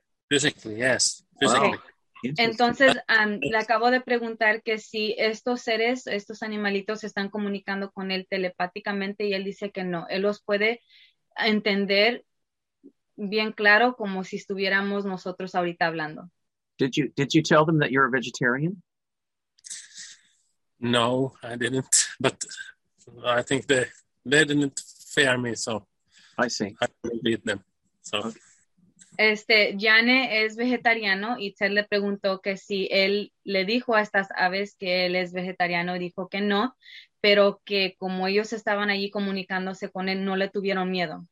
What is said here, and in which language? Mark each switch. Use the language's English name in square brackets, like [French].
[English] Physically, yes. Physically. Wow. [Spanish] Entonces, le acabo de preguntar que si estos seres, estos animalitos, se están comunicando con él telepáticamente y él dice que no. Él los puede entender bien claro como si estuviéramos nosotros ahorita hablando. [English] Did you tell them that you're a vegetarian? No, I didn't. But I think they didn't fear me, so I see. I didn't beat them. So. Okay. [Spanish] Janne es vegetariano y Ted le preguntó que si él le dijo a estas aves que él es vegetariano y dijo que no, pero que como ellos estaban allí comunicándose con él, no le tuvieron miedo.